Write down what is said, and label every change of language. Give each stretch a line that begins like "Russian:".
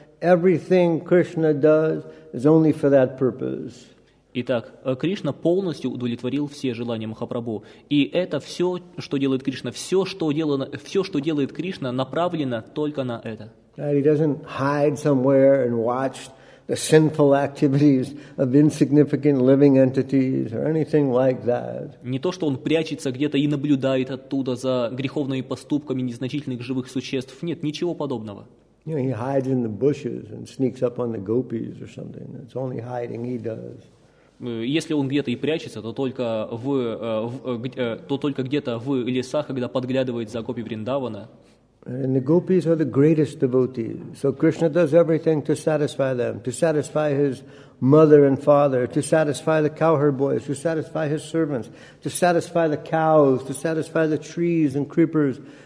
English: Everything Krishna does is only for that purpose.
Russian: Итак, Кришна полностью удовлетворил все желания Махапрабху. И это все, что делает Кришна, все, что делает Кришна, направлено только на это.
English: He doesn't hide somewhere and watch the sinful activities of insignificant living entities or anything like that.
Russian: Не то, что он прячется где-то и наблюдает оттуда за греховными поступками незначительных живых существ. Нет, ничего подобного.
English: You know, he hides in the bushes and sneaks up on the gopis or something. It's only hiding he does.
Russian: Если он где-то и прячется, то только где-то в лесах, когда подглядывает за гопи Вриндавана.
English: And the gopis are the greatest devotees. So Krishna does everything to satisfy them, to satisfy his mother and father, to satisfy the cowherd boys, to satisfy his servants, to satisfy the cows, to satisfy the trees and creepers.